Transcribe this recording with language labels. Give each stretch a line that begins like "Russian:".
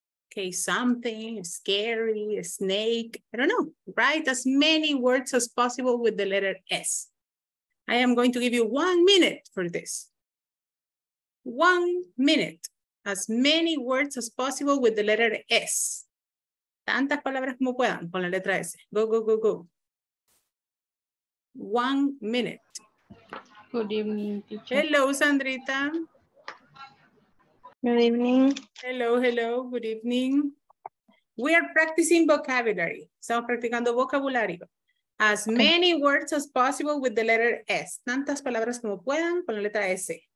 English: Okay, something, scary, a snake, I don't know. Write as many words as possible with the letter S. I am going to give you 1 minute for this. 1 minute, as many words as possible with the letter S.
Spanish: Tantas palabras como puedan con la letra S.
English: Go, go, go, go. 1 minute. Good evening, teacher. Hello, Sandrita. Good evening. Hello, hello, good evening. We are practicing vocabulary.
Spanish: Estamos practicando vocabulario.
English: As many words as possible with the letter S.
Spanish: Tantas palabras como puedan con la letra S.